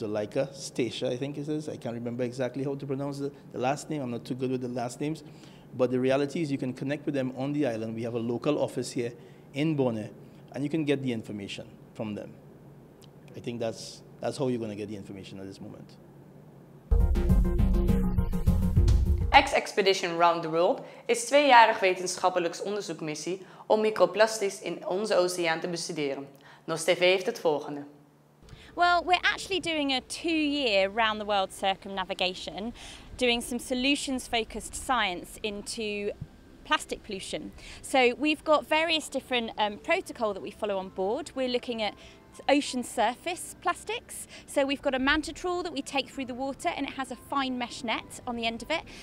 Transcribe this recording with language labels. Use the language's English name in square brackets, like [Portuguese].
[English] Zuleika Stacia, I think it is. I can't remember exactly how to pronounce the last name. I'm not too good with the last names. But the reality is you can connect with them on the island. We have a local office here in Bonaire, and you can get the information from them. I think that's how you're going to get the information at this moment. [Dutch] X-Expedition Round the World is 2-jarig wetenschappelijk onderzoekmissie om microplastics in onze oceaan te bestuderen. NOS TV heeft het volgende. [English] Well, we're actually doing a 2-year round the world circumnavigation, doing some solutions focused science into plastic pollution. So we've got various different protocol that we follow on board. We're looking at ocean surface plastics. So we've got a manta trawl that we take through the water, and it has a fine mesh net on the end of it.